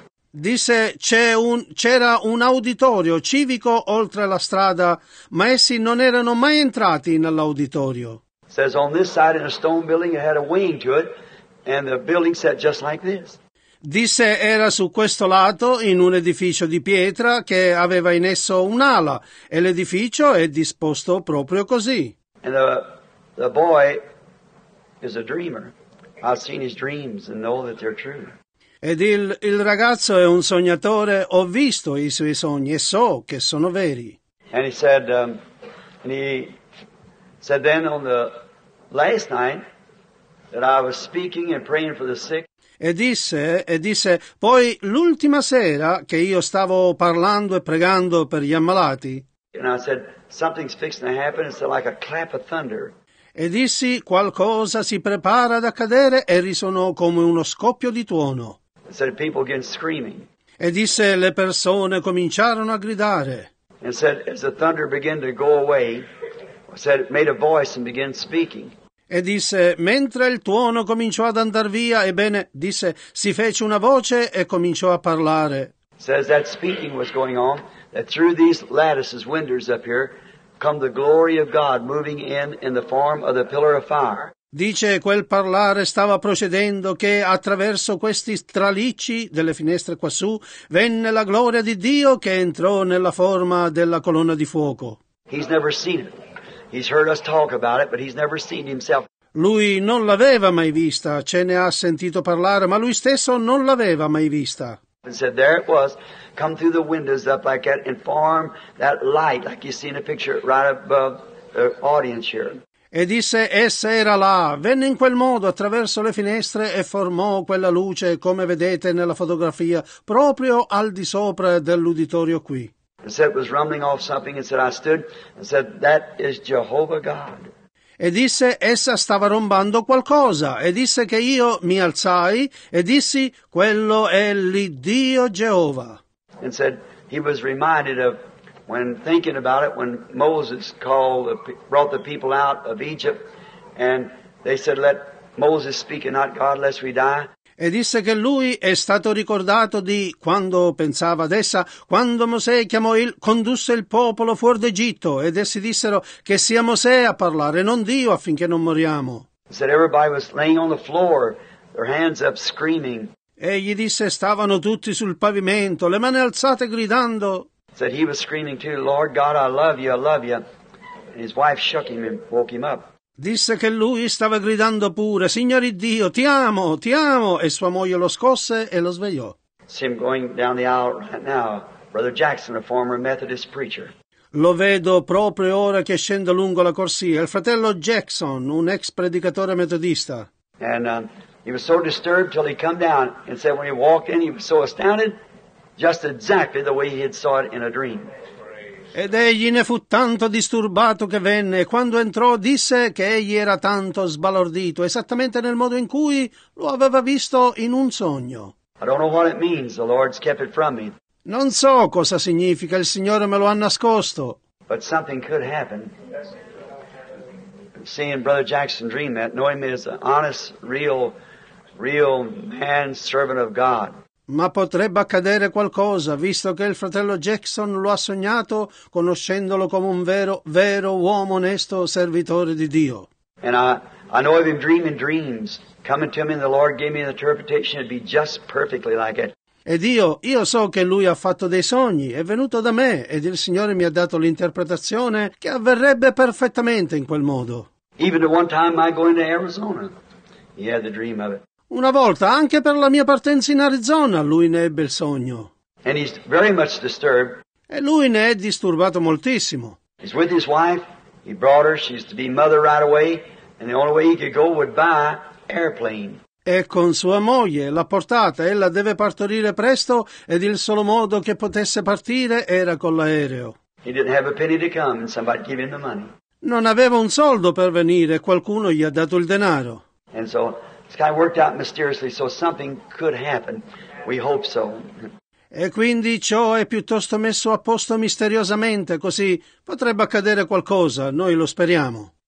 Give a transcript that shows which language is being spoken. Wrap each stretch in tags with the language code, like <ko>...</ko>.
<it>Disse c'era un auditorio civico oltre la strada, ma essi non erano mai entrati nell'auditorio.</it> <en>Says on this side in a stone building it had a wing to it and the building sat just like this.</en> <it>Disse era su questo lato in un edificio di pietra che aveva in esso un'ala e l'edificio è disposto proprio così.</it> <en>And the boy is a dreamer. I've seen his dreams and know that they're true.</en> <it>Ed il ragazzo è un sognatore, ho visto i suoi sogni e so che sono veri.</it> <en>And he said and he said then on the last night that I was speaking and praying for the sick.</en> <it>E disse, poi l'ultima sera che io stavo parlando e pregando per gli ammalati.</it> <en>And I said, something's fixing to happen, it's like a clap of thunder.</en> <it>E dissi, qualcosa si prepara ad accadere e risuonò come uno scoppio di tuono.</it> <en>I said, people began screaming.</en> <it>E disse, le persone cominciarono a gridare.</it> <en>And said, as the thunder began to go away, I said, it made a voice and began speaking.</en> <it>E disse, mentre il tuono cominciò ad andar via, ebbene, disse, si fece una voce e cominciò a parlare.</it> <en>Says that speaking was going on, that through these lattices, windows up here, come the glory of God moving in the form of the pillar of fire.</en> <it>Dice, quel parlare stava procedendo che attraverso questi stralicci delle finestre quassù, venne la gloria di Dio che entrò nella forma della colonna di fuoco.</it> <en>He's never seen it. He's heard us talk about it, but he's never seen himself.</en> <it>Lui non l'aveva mai vista, ce ne ha sentito parlare, ma lui stesso non l'aveva mai vista.</it> <en>And said, there it was, come through the windows up like that and form that light, like you see in a picture right above the audience here.</en> <it>E disse, essa era là, venne in quel modo attraverso le finestre e formò quella luce, come vedete nella fotografia, proprio al di sopra dell'uditorio qui.</it> <en>And said it was rumbling off something and said I stood and said that is Jehovah God.</en> <it>E disse essa stava rombando qualcosa e disse che io mi alzai e dissi quello è l'Iddio Geova.</it> <en>And said he was reminded of when thinking about it when Moses called brought the people out of Egypt And they said, let Moses speak and not God, lest we die.</en> <it>E disse che lui è stato ricordato di quando pensava ad essa, quando Mosè chiamò il, condusse il popolo fuori d'Egitto, ed essi dissero che sia Mosè a parlare, non Dio, affinché non moriamo.</it> <en>Said everybody was laying on the floor, their hands up screaming.</en> <it>E gli disse, stavano tutti sul pavimento, le mani alzate gridando.</it> <en>Said he was screaming too, Lord God, I love you, I love you. And his wife shook him and woke him up.</en> <it>Disse che lui stava gridando pure, Signore Dio, ti amo, ti amo. E sua moglie lo scosse e lo svegliò.</it> <en>See him going down the aisle right now, Brother Jackson, a former Methodist preacher.</en> <it>Lo vedo proprio ora che scende lungo la corsia, il fratello Jackson, un ex predicatore metodista.</it> <en>And he was so disturbed till he come down and said when he walked in he was so astounded, just exactly the way he had saw it in a dream.</en> <it>Ed egli ne fu tanto disturbato che venne, e quando entrò disse che egli era tanto sbalordito, esattamente nel modo in cui lo aveva visto in un sogno.</it> <en>I don't know what it means, the Lord's kept it from me.</en> <it>Non so cosa significa, il Signore me lo ha nascosto.</it> <en>But something could happen. Seeing Brother Jackson dream that, knowing him as an honest, real man, servant of God.</en> <it>Ma potrebbe accadere qualcosa, visto che il fratello Jackson lo ha sognato, conoscendolo come un vero uomo onesto, servitore di Dio.</it> <en>And I know of him dreaming dreams, coming to me, and the Lord gave me an interpretation, it'd be just perfectly like it.</en> <it>Ed io so che lui ha fatto dei sogni, è venuto da me, ed il Signore mi ha dato l'interpretazione che avverrebbe perfettamente in quel modo.</it> <en>Even the one time I go into Arizona, he had the dream of it.</en> <it>Una volta, anche per la mia partenza in Arizona, lui ne ebbe il sogno.</it> <en>And he's very much disturbed.</en> <it>E lui ne è disturbato moltissimo.</it> <en>He's with his wife, he brought her, she's to be mother right away, and the only way he could go would buy airplane.</en> <it>È con sua moglie, l'ha portata, ella deve partorire presto, ed il solo modo che potesse partire era con l'aereo.</it> <en>He didn't have a penny to come, and somebody gave him the money.</en> <it>Non aveva un soldo per venire, qualcuno gli ha dato il denaro.</it> <en>And so, it's kind of worked out mysteriously, so something could happen. We hope so.</en> <it>E quindi ciò è piuttosto messo a posto misteriosamente, così potrebbe accadere qualcosa, noi lo speriamo.</it>